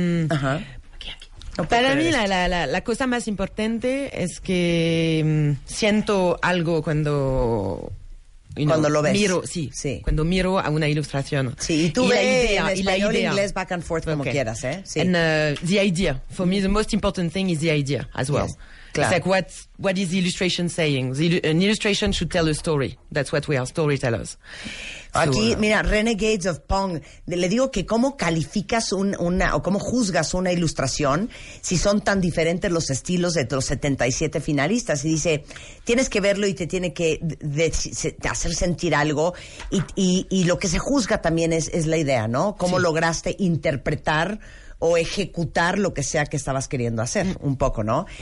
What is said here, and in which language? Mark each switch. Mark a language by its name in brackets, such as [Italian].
[Spanish] Ajá. Para mí la cosa más importante es que siento algo cuando... [English] You [Spanish] cuando [English] know, [Spanish] lo ves. Miro, sí, sí. Cuando miro a una ilustración. Sí, y tú ves en español, y inglés, [English] back and forth, [Spanish] como okay. quieras, ¿eh? Sí. [English] And the idea. For me, the most important thing is the idea as well. Yes. [Spanish] Claro. [English] It's like, what is the illustration saying? An illustration should tell a story. That's what we are, storytellers. [Spanish] Aquí, mira, Renegades of Pong. Le digo que cómo calificas una o cómo juzgas una ilustración si son tan diferentes los estilos de los 77 finalistas. Y dice, tienes que verlo y te tiene que hacer sentir algo. Y lo que se juzga también es la idea, ¿no? Cómo sí. lograste interpretar o ejecutar lo que sea que estabas queriendo hacer, un poco, ¿no?